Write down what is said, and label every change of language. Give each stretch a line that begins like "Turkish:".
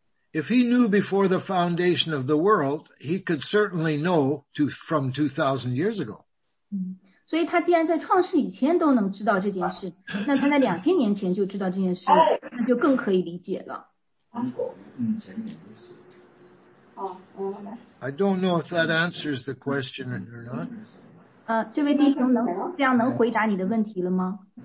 English: If he knew before the foundation of the world, he could certainly know from 2,000 years ago.
Chinese: 所以他既然在创世以前都能知道这件事，那他在2000年前就知道这件事，那就更可以理解了。
English: I don't know if that answers the question or not.
Chinese: 这位弟兄能这样能回答你的问题了吗？